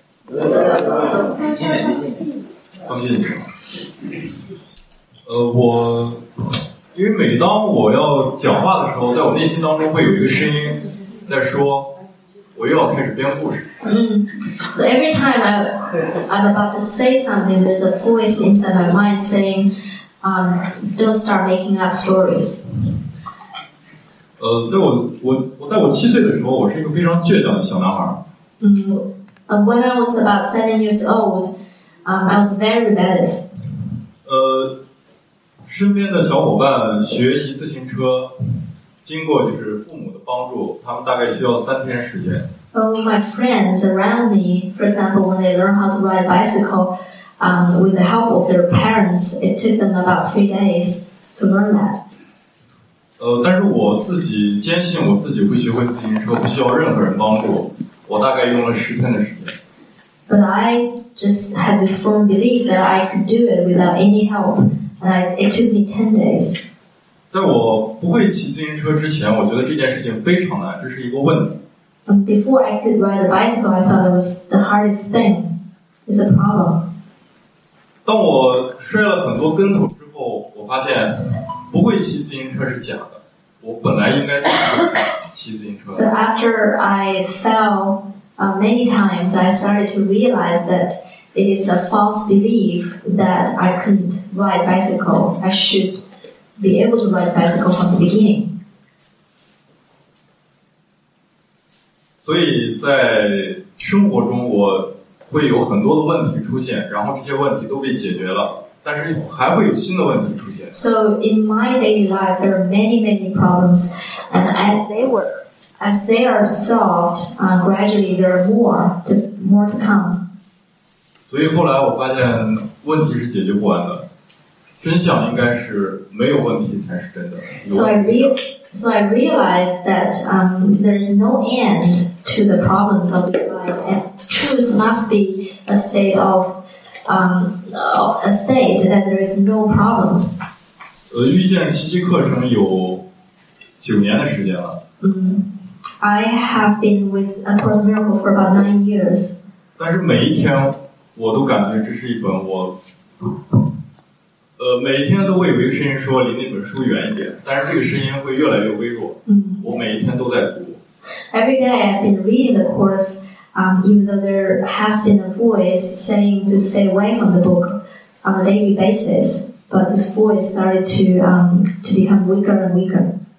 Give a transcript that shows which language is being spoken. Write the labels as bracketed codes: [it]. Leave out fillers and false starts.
[zh] 恭喜你，恭喜你。我。因为每当我要讲话的时候，在我内心当中会有一个声音在说，我又要开始编故事。 [en] So every time I'm about to say something, there's a voice inside my mind saying, don't start making up stories. [zh] 我在我七岁的时候，我是一个非常倔强的小男孩。 [en] When I was about 7 years old, I was very rebellious. [zh] 身边的小伙伴学习自行车，经过就是父母的帮助，他们大概需要3天时间。 [en] Oh, my friends around me, for example, when they learn how to ride a bicycle, with the help of their parents, it took them about 3 days to learn that. [zh] 但是我自己坚信我自己会学会自行车，不需要任何人帮助。我大概用了10天的时间。 [en] But I just had this firm belief that I could do it without any help. It took me 10 days. [zh] 在我不会骑自行车之前，我觉得这件事情非常难，这是一个问题。 [en] Before I could ride a bicycle, I thought it was the hardest thing. It's a problem. [zh] 当我摔了很多跟头之后，我发现不会骑自行车是假的。我本来应该骑自行车。 [en] But after I fell many times, I started to realize that. It is a false belief that I couldn't ride bicycle. I should be able to ride bicycle from the beginning. [zh] 所以在生活中我会有很多的问题出现，然后这些问题都被解决了，但是还会有新的问题出现。 [en] So in my daily life there are many many problems and as they are solved gradually there are more to come. [zh] 所以后来我发现问题是解决不完的，真相应该是没有问题才是真的。 [en] So I realized that there is no end to the problems of the life, and truth must be a state of a state that there is no problem. [zh] 遇见奇迹课程有九年的时间了。 [en] I have been with A Course Miracle for about 9 years. [zh] 但是每一天我都感觉这是一本我。每一天都会有一个声音说离那本书远一点，但是这个声音会越来越微弱。我每一天都在读。 [en] Every day I've been reading the course, even though there has been a voice saying to stay away from the book on a daily basis, but this voice started to become weaker and weaker.